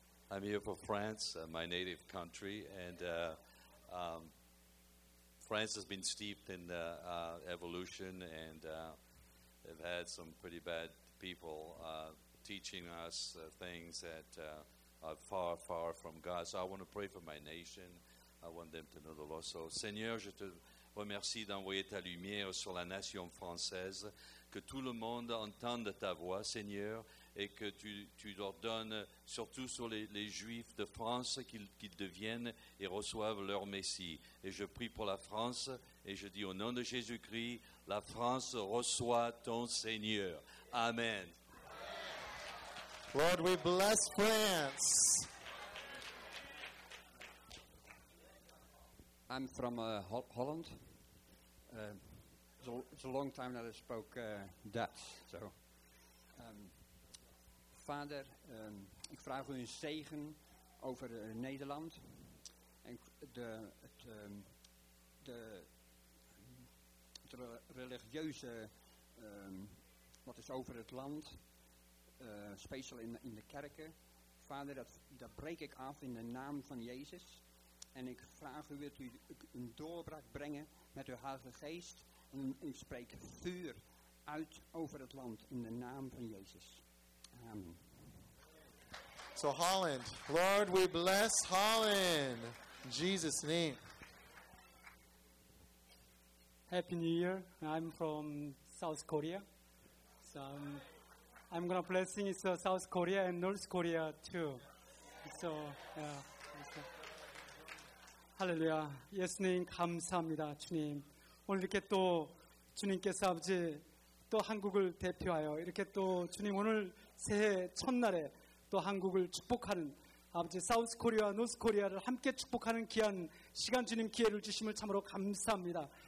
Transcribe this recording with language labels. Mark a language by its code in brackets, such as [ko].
[en] I'm here from France, my native country, and France has been steeped in evolution, and they've had some pretty bad people teaching us things that are far, far from God. So I want to pray for my nation. I want them to know the Lord. [fr] So, Seigneur, je te remercie d'envoyer ta lumière sur la nation française, que tout le monde entende ta voix, Seigneur, et que tu leur donnes, surtout sur les Juifs de France, qu'ils deviennent et reçoivent leur Messie. Et je prie pour la France, et je dis au nom de Jésus-Christ, la France reçoit ton Seigneur. Amen. [en] Lord, we bless France. I'm from Holland. It's a long time that I spoke Dutch. [nl] So, Vader, ik vraag voor een zegen over Nederland. En het religieuze wat is over het land, speciaal in de kerken. Vader, dat breek ik af in de naam van Jezus. En ik vraag u, wilt u een doorbraak brengen met uw Heilige Geest? En ik spreek vuur uit over het land in de naam van Jezus. Amen. [en] So Holland, Lord, we bless Holland. In Jesus' name. Happy New Year. I'm from South Korea. So I'm going to bless you, so South Korea and North Korea too. So, yeah. Hallelujah. [ko] 예수님 감사합니다, 주님. 오늘 이렇게 또 주님께서 아버지 또 한국을 대표하여 이렇게 또 주님 오늘 새해 첫날에 또 한국을 축복하는 아버지 사우스 코리아와 노스 코리아를 함께 축복하는 귀한 시간 주님 기회를 주심을 참으로 감사합니다.